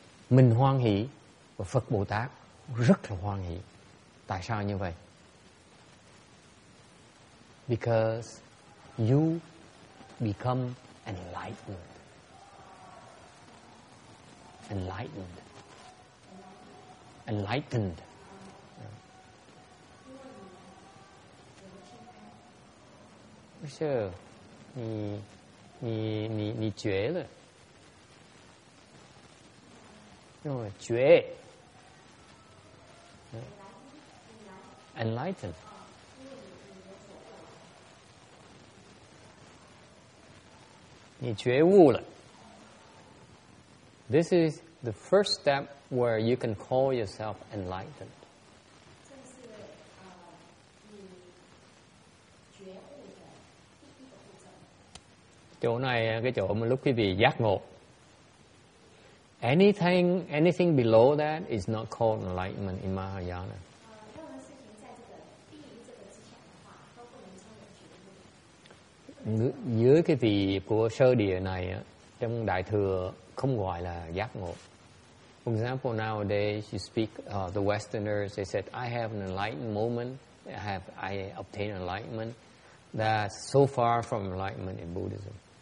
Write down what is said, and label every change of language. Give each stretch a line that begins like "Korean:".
Vietnamese: Mình hoan hỷ và Phật Bồ Tát rất là hoan hỷ. Tại sao như vậy?
English: Because you become enlightened. Enlightened. Enlightened. Sure.
Chinese: 你觉了，用了觉 ，enlighten。你觉悟了。
English: This is the first step where you can call yourself enlightened.
Chinese: 这是你觉悟的第一个步骤。
Vietnamese: chỗ này cái chỗ mà lúc quý vị giác ngộ.
English: Anything below that is not called enlightenment in Mahayana.
Vietnamese: Dưới cái vị của sơ địa này trong đại thừa không gọi là giác ngộ.
English: For example, nowadays you speak the Westerners, they said I have an enlightened moment, I obtained enlightenment. That's so far from enlightenment in Buddhism.